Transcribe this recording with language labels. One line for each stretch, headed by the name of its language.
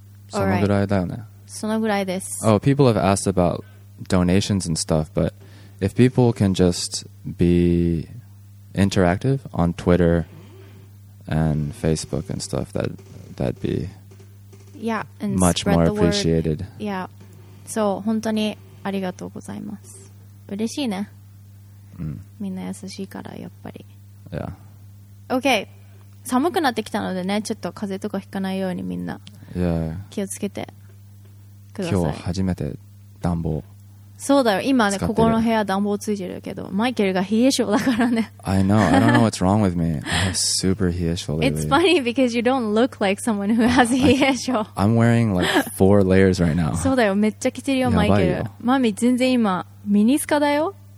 Japanese: そのぐらいだよね。そのぐらいです。
English: Oh, people have asked about donations and stuff, but if people can just be interactive on Twitter and Facebook and stuff, that'd be yeah, and much more appreciated. Yeah.
Japanese: So, 本当にありがとうございます。嬉しいね、みんな優しいからやっぱり、
English: yeah.
Japanese: OK、 寒くなってきたのでね、ちょっと風邪とかひかないようにみんな気をつけてください。今日初めて暖房、そうだよ、今ねここの部屋暖房ついてるけど、マイケルが冷え性だからね。
English: I know, I don't know what's wrong with me. I have super 冷え性 lately. It's funny because you don't look like someone who has 冷え性。 I'm wearing like 4 layers right now.
Japanese: そうだよ、めっちゃ着てるよマイケル。マミ全然今ミニスカだよ。